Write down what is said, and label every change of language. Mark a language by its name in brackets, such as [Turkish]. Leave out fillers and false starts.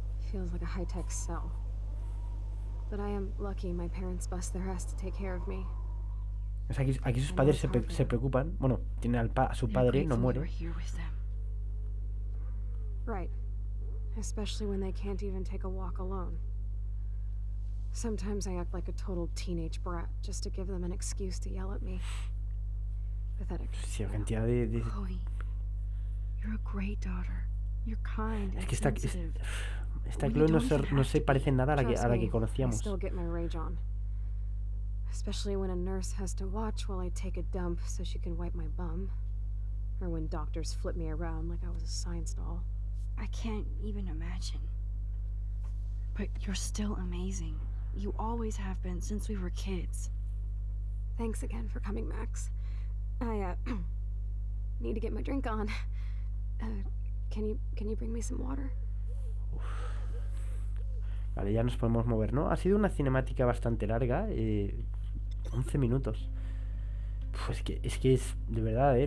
[English] Feels like a high-tech cell. But I am lucky my parents bust their ass to take care of me. [Spanish] O sea, aquí sus padres se preocupan. Bueno, tiene a su padre, no muere. [English] Right. Especially when they can't even take a walk alone. Sometimes I act like a total teenage brat just to give them an excuse to yell at me. Pathetic. [Spanish] Sí, la cantidad de... [English] Chloe, you're a great daughter. You're kind and sensitive. [Spanish] Es que esta Chloe no se parece nada a la que conocíamos. [English] I still get my rage on. Especially when a nurse has to watch while I take a dump so she can wipe my bum. Or when doctors flip me around like I was a science doll. I can't even imagine. But you're still amazing. You always have been since we were kids. Thanks again for coming, Max. I need to get my drink on. Can you bring me some water? [Spanish] Vale, ya nos podemos mover, ¿no? Ha sido una cinemática bastante larga, 11 minutos. Pues es que es de verdad, ¿eh?